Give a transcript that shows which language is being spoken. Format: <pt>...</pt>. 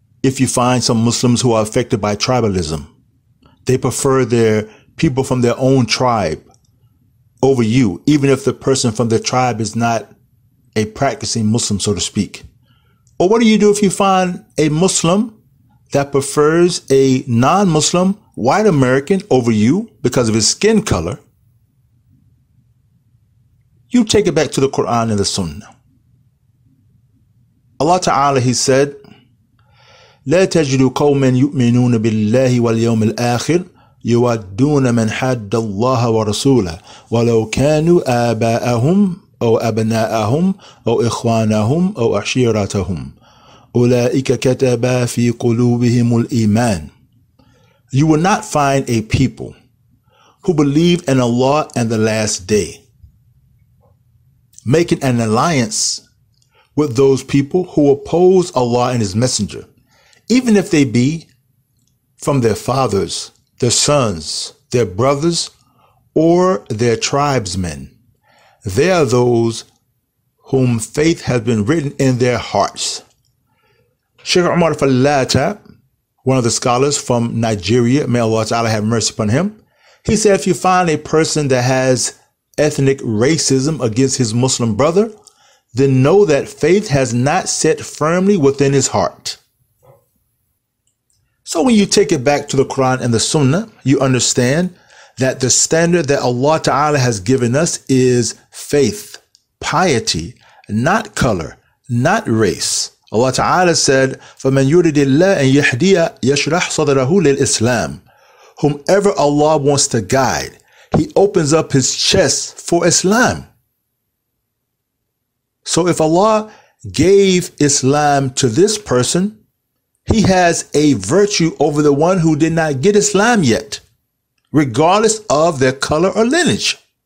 <en>If you find some Muslims who are affected by tribalism, they prefer their people from their own tribe over you, even if the person from the tribe is not a practicing Muslim, so to speak. Or what do if you find a Muslim that prefers a non-Muslim white American over you because of his skin color? You take it back to the Quran and the Sunnah. Allah Ta'ala, he said,</en> <ar>لَا تَجِدُوا قَوْمًا يُؤْمِنُونَ بِاللَّهِ وَالْيَوْمِ الْآخِرِ يُوَدُّونَ مَنْ حَدَّ اللَّهَ وَرَسُولَهُ وَلَوْ كَانُوا آبَاءَهُمْ أَوْ أَبْنَاءَهُمْ أَوْ إِخْوَانَهُمْ أَوْ أَشِيرَتَهُمْ أُولَٰئِكَ كَتَبَا فِي قُلُوبِهِمُ الْإِيمَانِ.</ar> <en>You will not find a people who believe in Allah and the last day making an alliance with those people who oppose Allah and His Messenger, even if they be from their fathers, their sons, their brothers, or their tribesmen. They are those whom faith has been written in their hearts. Sheikh Omar Falata, one of the scholars from Nigeria, may Allah Ta'ala have mercy upon him, he said, if you find a person that has ethnic racism against his Muslim brother, then know that faith has not set firmly within his heart. So when you take it back to the Quran and the Sunnah, you understand that the standard that Allah Ta'ala has given us is faith, piety, not color, not race. Allah Ta'ala said,</en> <ar>فَمَنْ يُرِدِ اللَّهِ أَنْ يَحْدِيَ يَشْرَحْ صَدَرَهُ لِلْإِسْلَامِ.</ar> <en>Whomever Allah wants to guide, He opens up His chest for Islam. So if Allah gave Islam to this person, he has a virtue over the one who did not get Islam yet, regardless of their color or lineage.</en>